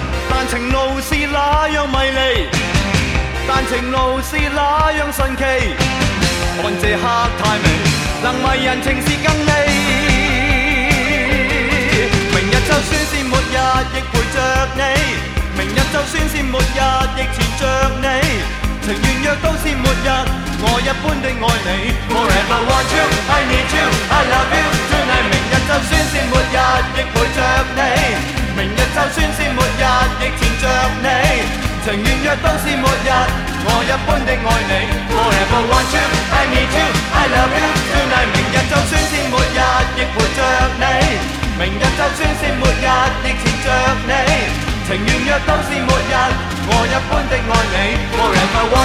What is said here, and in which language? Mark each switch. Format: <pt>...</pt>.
<yue>但情路是那样迷离，但情路是那样神奇，看这刻太美，能迷人情是更美。明日就算是末日亦陪着你，明日就算是末日亦缠着你，情愿若都是末日，我一般的爱你。</yue> <en>Forever want you, I need you, I love you tonight。</en> <yue>明日就算是末日亦陪着你，明日就算是末日亦缠着你，情愿若都是末日，我一般的爱你。</yue> <en>Forever want you, I need you, I love you tonight。</en> <yue>明日就算是末日亦陪着你，明日就算是末日亦缠着你，情愿若都是末日，我一般的爱你。</yue> <en>Forever</en>